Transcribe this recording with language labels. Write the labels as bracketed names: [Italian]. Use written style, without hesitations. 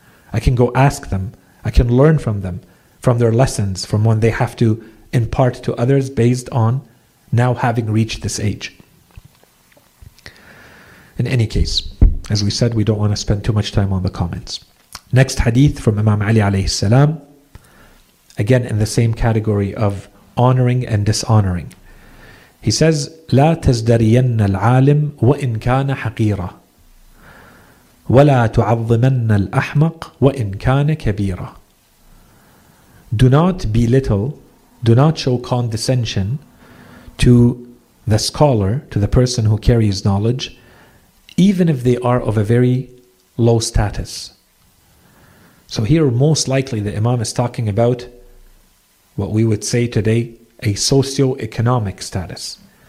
[English] I can go ask them. I can learn from them, from their lessons, from what they have to impart to others based on now having reached this age. In any case, as we said, we don't want to spend too much time on the comments. Next hadith from Imam Ali alayhi salam. Again, in the same category of honoring and dishonoring. [Arabic] He says, لا تزدرين العالم وإن كان حقيرا ولا تعظمن الأحمق وإن كان كبيرا. [English] Do not belittle, do not show condescension to the scholar, to the person who carries knowledge, even if they are of a very low status. So here, most likely, the Imam is talking about what we would say today, a socioeconomic status.